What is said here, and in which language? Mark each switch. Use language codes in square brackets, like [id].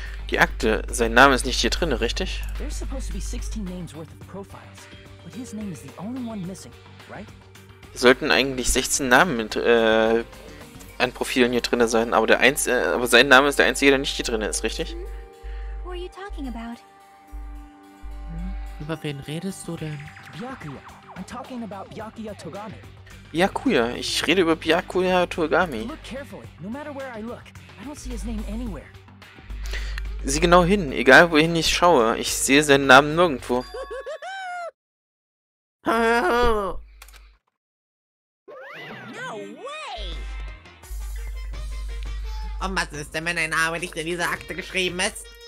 [de] Die Akte, sein Name ist nicht hier drin, richtig? [en] There's supposed to be 16 names worth of profiles, but his name is the only one missing, right? [de] Es sollten eigentlich 16 Namen mit an Profilen hier drin sein, aber sein Name ist der einzige, der nicht hier drin ist, richtig? [en] What are you talking about? [de] Über wen redest du denn? [en] Byakuya. I'm talking about Byakuya Togami. [de] Byakuya, ich rede über Byakuya Togami. [en] Look carefully, no matter where I look. I don't see his name anywhere. [de] sieh genau hin, egal wohin ich schaue. Ich sehe seinen Namen nirgendwo. [en] No way! [de] Und was ist denn, wenn dein Name nicht in dieser Akte geschrieben ist?